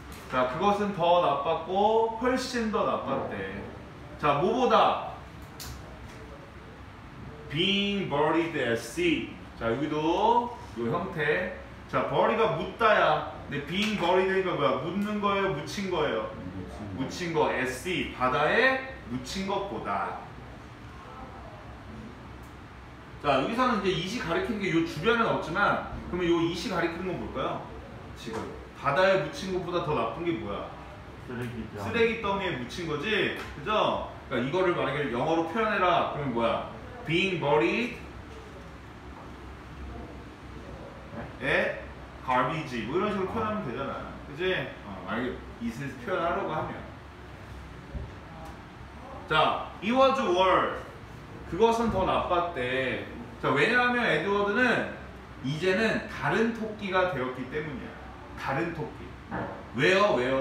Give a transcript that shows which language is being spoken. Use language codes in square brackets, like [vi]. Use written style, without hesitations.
[ko] 자, 그것은 더 나빴고 훨씬 더 나빴대. [en] 자, 뭐보다 being buried at sea. [ko] 자, 여기도 이 형태. 자, buried가 묻다야. 근데 [en] being buried [ko] 가 뭐야? 묻는 거예요? 묻힌 거예요? 묻힌 거. 묻힌 거. [en] at sea. [ko] 바다에 묻힌 것보다. 자, 여기서는 이제 이시 가리키는 게 이 주변은 없지만, 그러면 이 이시 가리키는 건 뭘까요? 지금 바다에 묻힌 것보다 더 나쁜 게 뭐야? 쓰레기죠. 쓰레기 더미에 묻힌 거지? 그죠? 그러니까 이거를 만약에 영어로 표현해라. 그러면 뭐야? [en] being buried at garbage. [ko] 뭐 이런 식으로 표현하면 되잖아. 그지? 만약에 이슬 표현하려고 하면. 자, [en] it was worse. [ko] 그것은 더 나빴대. 자, 왜냐하면 에드워드는 이제는 다른 토끼가 되었기 때문이야. 다른 토끼. 왜요?